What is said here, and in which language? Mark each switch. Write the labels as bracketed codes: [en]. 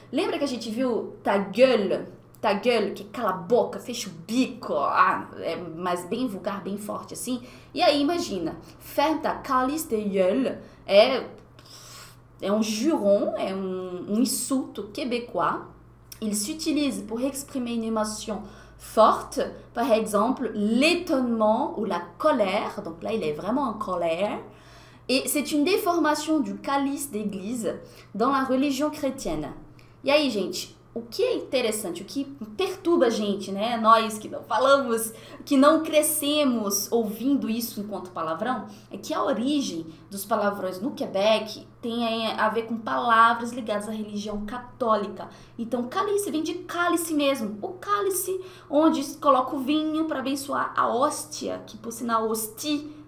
[pt] Lembra que a gente viu ta gueule, que é cala a boca, fecha o bico, ah, é mais bem vulgar, bem forte assim? E aí, imagina: [fr] Ferme ta calice de gueule [pt] é um juron, é um insulto québécois. [fr] Il s'utilise pour exprimer une émotion forte, par exemple l'étonnement ou la colère. Donc là, il est vraiment en colère. Et c'est une déformation du calice d'église dans la religion chrétienne. [pt] E aí, gente, o que é interessante, o que perturba a gente, né? Nós que não falamos, que não crescemos ouvindo isso enquanto palavrão, é que a origem dos palavrões no Quebec tem a ver com palavras ligadas à religião católica. Então, calice vem de cálice mesmo. O cálice onde coloca o vinho para abençoar a hóstia, que por sinal, hosti.